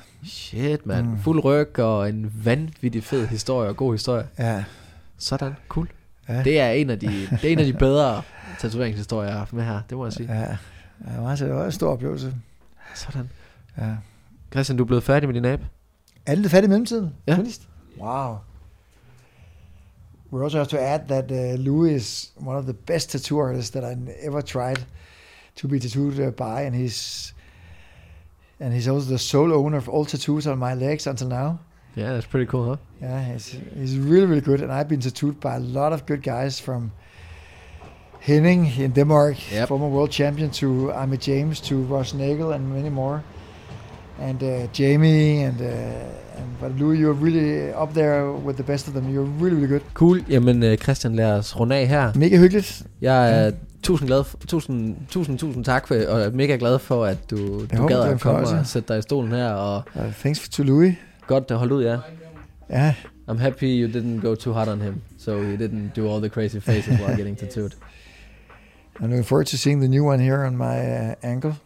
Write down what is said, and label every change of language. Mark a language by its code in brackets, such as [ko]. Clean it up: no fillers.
[en] Shit, man. [da] Mm. Fuld ryg og en vanvittig fed historie og god historie. Ja. Sådan, cool. Ja. Det er en af de bedre tatoveringshistorier, jeg har haft med her, det må jeg sige. Ja, det var en stor oplevelse. Sådan. Ja. Christian, du er blevet færdig med din app? Er det færdig i mellemtiden? Ja. Wow. [en] We also have to add that Louis is one of the best tattoo artists that I ever tried to be tattooed by, and he's also the sole owner of all tattoos on my legs until now. Yeah, that's pretty cool, huh? Yeah, he's really, really good, and I've been tattooed by a lot of good guys, from Henning in Denmark, yep, former world champion, to Amy James, to Ross Nagel, and many more, and Jamie, but Louis, you're really up there with the best of them. You're really, really good. [da] Cool. Jamen, Christian, lad os runde af her. Mega hyggeligt. Jeg er tusind tak for, og mega glad for, at du gad at komme og sætte dig i stolen her. Og [en] thanks to Louis. [da] Godt at holde ud, ja. Ja. [en] I'm happy you didn't go too hard on him, so he didn't do all the crazy faces while getting tattooed. I'm looking forward to seeing the new one here on my ankle.